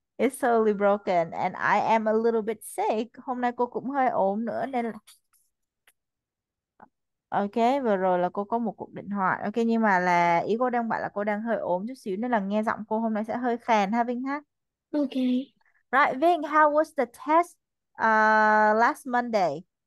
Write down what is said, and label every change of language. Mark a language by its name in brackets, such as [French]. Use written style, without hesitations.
[English] It's totally broken and I am a little bit sick. [Vietnamese] Hôm nay cô cũng hơi ốm nữa nên OK, vừa rồi là cô có một cuộc điện thoại. OK, nhưng mà là ý cô đang bảo là cô đang hơi ốm chút xíu nên là nghe giọng cô hôm nay sẽ hơi khàn ha Vinh ha. [English] Okay. Right, Vinh, how was the test last Monday?